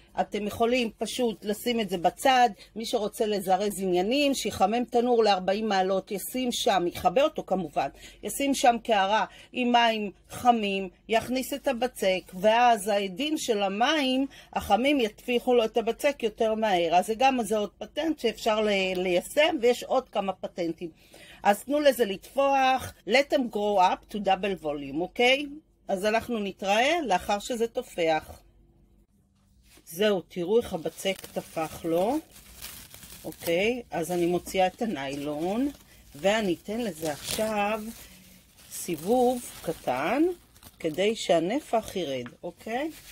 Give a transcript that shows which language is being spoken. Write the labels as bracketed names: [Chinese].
[Hebrew] אתם יכולים פשוט לשים את זה בצד. מי שרוצה לזרז עניינים, שיחמם תנור ל-40 מעלות, ישים שם, יחבא אותו כמובן, ישים שם קערה עם מים חמים, יכניס את הבצק, ואז העדין של המים החמים יתפיחו לו את הבצק יותר מהר. אז זה גם זה עוד פטנט שאפשר ליישם, ויש עוד כמה פטנטים. אז תנו לזה לתפוח. [English] Let them grow up to double volume, אוקיי? [Hebrew] אז אנחנו נתראה לאחר שזה תופח. זהו, תראו איך הבצק תפח לו. אוקיי, אז אני מוציאה את הניילון, ואני אתן לזה עכשיו סיבוב קטן, כדי שהנפח ירד, אוקיי?